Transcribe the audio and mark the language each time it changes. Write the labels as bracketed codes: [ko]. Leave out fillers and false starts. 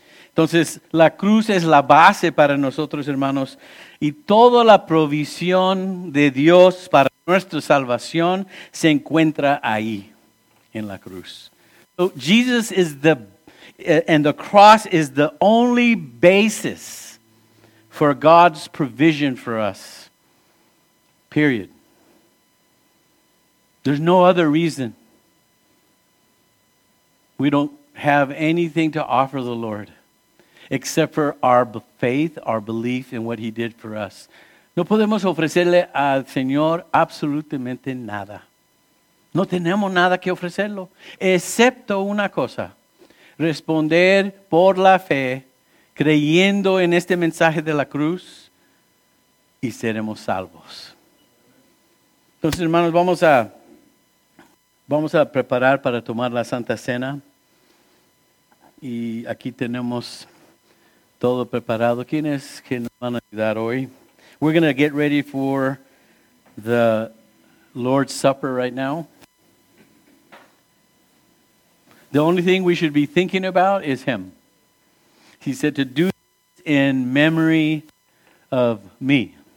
[es] Entonces, la cruz es la base para nosotros, hermanos, y toda la provisión de Dios para nuestra salvación se encuentra ahí, en la cruz. [en] So Jesus is and the cross is the only basis for God's provision for us, period. There's no other reason. We don't have anything to offer the Lord except for our faith, our belief in what he did for us. [es] No podemos ofrecerle al Señor absolutamente nada. No tenemos nada que ofrecerlo, excepto una cosa, responder por la fe, creyendo en este mensaje de la cruz, y seremos salvos. Entonces, hermanos, vamos a preparar para tomar la Santa Cena. Y aquí tenemos todo preparado. ¿Quién es que nos van a ayudar hoy? [en] We're going to get ready for the Lord's Supper right now. The only thing we should be thinking about is him. He said to do this in memory of me.